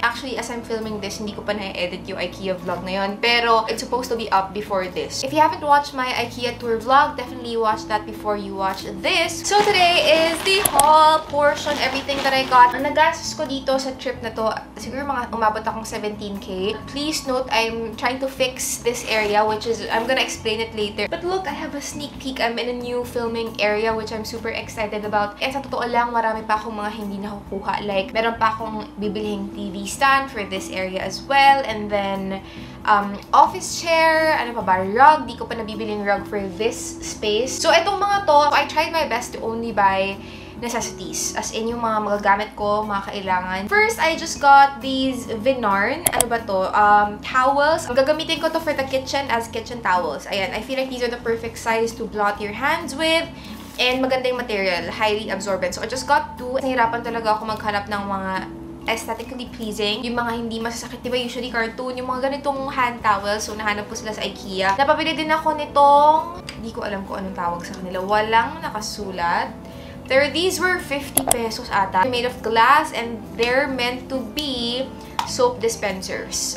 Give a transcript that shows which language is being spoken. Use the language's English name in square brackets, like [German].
[English] Actually, as I'm filming this, [Filipino] hindi ko pa na-edit yung IKEA vlog na yun. [English] Pero, it's supposed to be up before this. If you haven't watched my IKEA tour vlog, definitely watch that before you watch this. So, today is the haul portion, everything that I got. [Filipino] Ang nag-gastos ko dito sa trip na to, siguro mga umabot akong 17K. [English] Please note, I'm trying to fix this area, which is, I'm gonna explain it later. But look, I have a sneak peek. I'm in a new filming area, which I'm super excited about. [Filipino] Eh, sa totoo lang, marami pa akong mga hindi nakukuha. [English] Like, [Filipino] meron pa akong bibilhing [English] TV stand for this area as well. And then, office chair. [Filipino] Ano pa ba? [English] Rug. [Filipino] Di ko pa nabibiling rug for this space. [English] So, [Filipino] itong mga to, [English] I tried my best to only buy necessities. [Filipino] As in, yung mga magagamit ko, mga kailangan. [English] First, I just got these Vinarn. [Filipino] Ano ba to? [English] Towels. [Filipino] Gagamitin ko to [English] for the kitchen as kitchen towels. Ayan, I feel like these are the perfect size to blot your hands with. And magandang material, highly absorbent. So, I just got two. [Filipino] Nahirapan talaga ako maghanap ng mga aesthetically pleasing. Yung mga hindi masasakit. Diba, usually cartoon. Yung mga ganitong hand towels. So, nahanap ko sila sa IKEA. Napabili din ako nitong, hindi ko alam kung anong tawag sa kanila. Walang nakasulat. [English] These were 50 pesos ata. They're made of glass and they're meant to be soap dispensers.